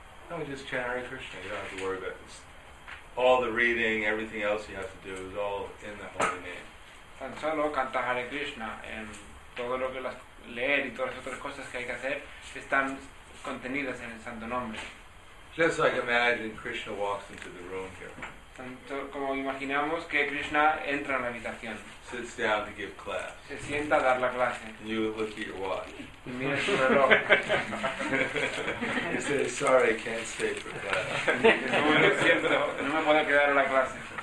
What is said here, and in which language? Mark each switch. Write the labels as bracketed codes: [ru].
[en] No, just chant Hare Krishna, you don't have to worry about this. All the reading, everything else you have to do is all in the holy name. [es] Tan solo canta Hare Krishna, todo lo que las leer y todas las otras cosas que hay que hacer están contenidas en el santo nombre. [en] Just like imagine Krishna walks into the room here. [es] Tanto como imaginamos que Krishna entra en la habitación. [en] Sits down to give class. [es] Se sienta a dar la clase. [en] And you look at your watch. [es] Mira su reloj. [en] He says, sorry, I can't stay for class. [es] Lo siento, no me puedo quedar en la clase.